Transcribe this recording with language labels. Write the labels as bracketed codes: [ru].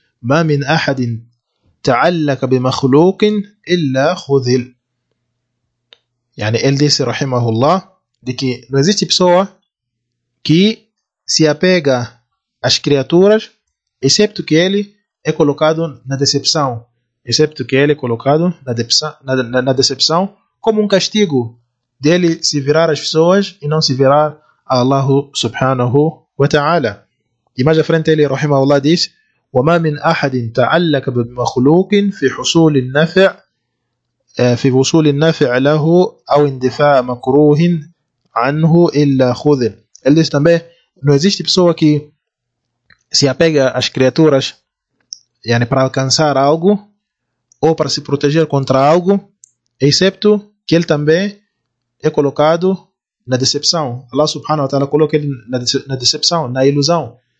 [ar] ما من أحد تعلق بمخلوق إلا خذل. [pt] Yani ele disse, rahimahullah, de que não existe pessoa que se apega às criaturas, excepto que ele é colocado na decepção. Excepto que ele é colocado na decepção como um castigo dele se virar às pessoas e não se virar a Allah subhanahu wa ta'ala. E mais à frente ele, rahimahullah, diz: [ar] وَمَا مِنْ أَحَدٍ تَعَلَّكَ بِمَخْلُوقٍ فِي حُصُولِ النَّفِعِ في وصول النفع له أو اندفاع مكروه عنه إلا خذل. [pt] Ele diz também, não existe pessoa que se apega às criaturas yani para alcançar algo ou para se proteger contra algo, excepto que ele também é colocado na decepção. Allah subhanahu wa ta'ala coloca ele na decepção, na ilusão.